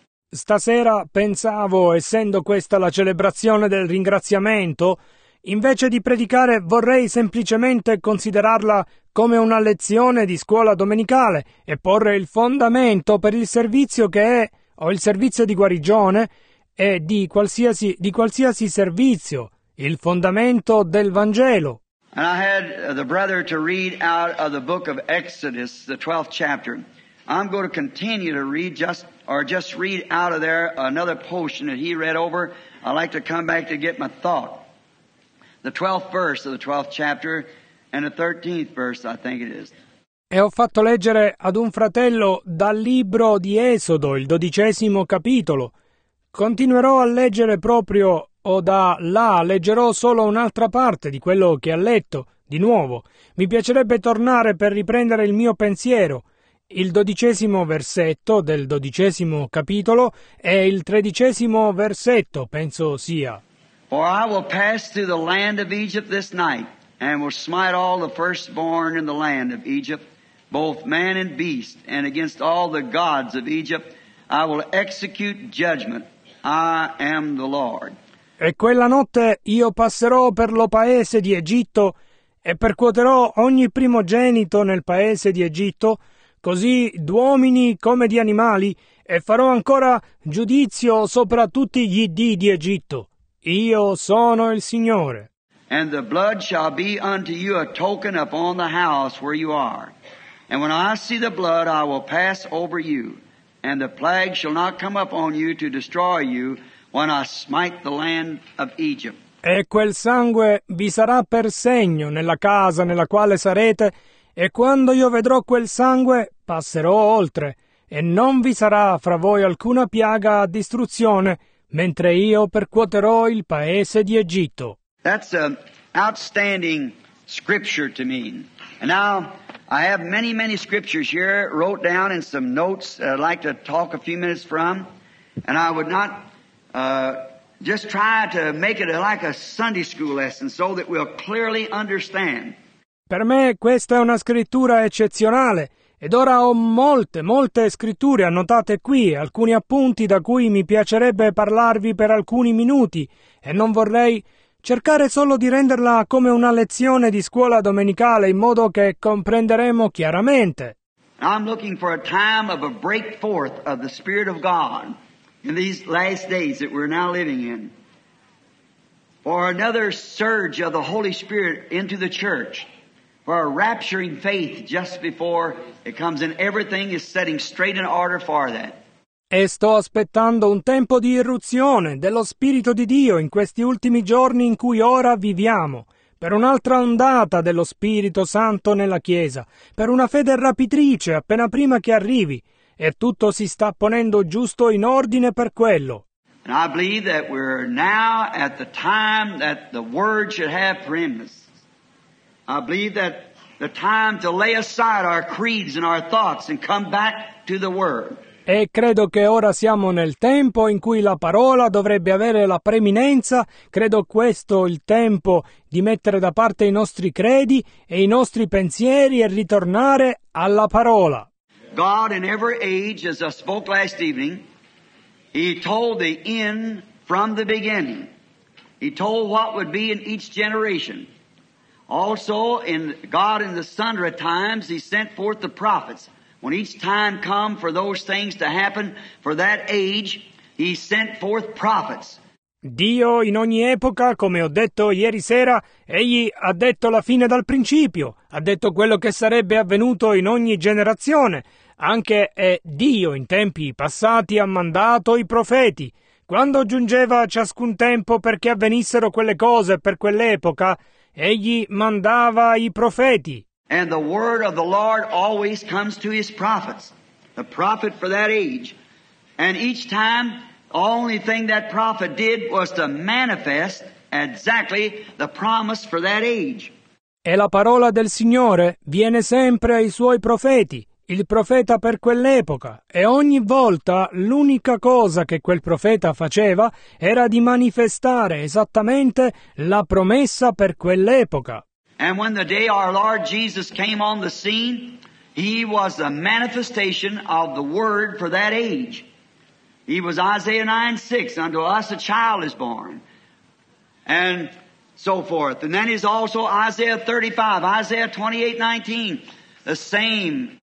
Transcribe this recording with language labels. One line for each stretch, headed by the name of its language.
Italian: Stasera pensavo, essendo questa la celebrazione del ringraziamento, invece di predicare vorrei semplicemente considerarla come una lezione di scuola domenicale e porre il fondamento per il servizio che è, o il servizio di guarigione, e di qualsiasi servizio, il fondamento del Vangelo.
English: And I had the brother to read out of the book of Exodus, the 12th chapter. I'm going to continue to read just read out of there another portion that he read over. I'd like to come back to get my thought. The 12th verse of the 12th chapter and the 13th verse, I think it is.
Italian: E ho fatto leggere ad un fratello dal libro di Esodo, il 12° capitolo. Continuerò a leggere proprio, o da là leggerò solo un'altra parte di quello che ha letto, di nuovo. Mi piacerebbe tornare per riprendere il mio pensiero. Il 12° versetto del 12° capitolo è il 13° versetto, penso sia.
English: For I will pass through the land of Egypt this night, and will smite all the firstborn in the land of Egypt, both man and beast, and against all the gods of Egypt, I will execute judgment. I am the Lord.
Italian: E quella notte io passerò per lo paese di Egitto e percuoterò ogni primogenito nel paese di Egitto, così d'uomini come di animali, e farò ancora giudizio sopra tutti gli dii di Egitto. Io sono il Signore.
English: And the blood shall be unto you a token upon the house where you are. And when I see the blood, I will pass over you, and the plague shall not come upon you to destroy you when I smite the land of Egypt.
Italian: E quel sangue vi sarà per segno nella casa nella quale sarete, e quando io vedrò quel sangue, passerò oltre, e non vi sarà fra voi alcuna piaga a distruzione, mentre io percuoterò il paese di Egitto.
English: That's an outstanding scripture to me. Now, I have many, many scriptures here, wrote down in some notes that I'd like to talk a few minutes from. And I would not just try to make it like a Sunday school lesson so that we'll clearly understand.
Italian: Per me questa è una scrittura eccezionale. Ed ora ho molte, molte scritture annotate qui, alcuni appunti da cui mi piacerebbe parlarvi per alcuni minuti, e non vorrei cercare solo di renderla come una lezione di scuola domenicale in modo che comprenderemo chiaramente.
English: I'm looking for a time of a break forth of the Spirit of God in these last days that we're now living in, for another surge of the Holy Spirit into the church. For a rapturing faith just before it comes, and everything is setting straight in order for that.
Italian: E sto aspettando un tempo di irruzione dello Spirito di Dio in questi ultimi giorni in cui ora viviamo, per un'altra ondata dello Spirito Santo nella Chiesa, per una fede rapitrice appena prima che arrivi, e tutto si sta ponendo giusto in ordine per quello.
English: And I believe that we're now at the time that the Word should have preeminence. I believe that the time to lay aside our creeds and our thoughts and come back to the Word.
Italian: E credo che ora siamo nel tempo in cui la parola dovrebbe avere la preminenza. Credo questo il tempo di mettere da parte i nostri credi e i nostri pensieri e ritornare alla parola.
English: God in every age, as I spoke last evening, He told the end from the beginning. He told what would be in each generation. Also, in God in the sundry times, He sent forth the prophets. When each time come for those things to happen for that age, He sent forth prophets.
Italian: Dio in ogni epoca, come ho detto ieri sera, Egli ha detto la fine dal principio, ha detto quello che sarebbe avvenuto in ogni generazione. Anche Dio in tempi passati ha mandato i profeti. Quando giungeva ciascun tempo perché avvenissero quelle cose per quell'epoca, Egli mandava i profeti.
English: And the word of the Lord always comes to His prophets, the prophet for that age. And each time, the only thing that prophet did was to manifest exactly the promise for that age.
Italian: E la parola del Signore viene sempre ai suoi profeti, il profeta per quell'epoca. E ogni volta l'unica cosa che quel profeta faceva era di manifestare esattamente la promessa per quell'epoca.
English: And when the day our Lord Jesus came on the scene, He was a manifestation of the Word for that age. He was Isaiah 9:6, unto us a child is born. And so forth. And then is also Isaiah 35, Isaiah 28:19, the same.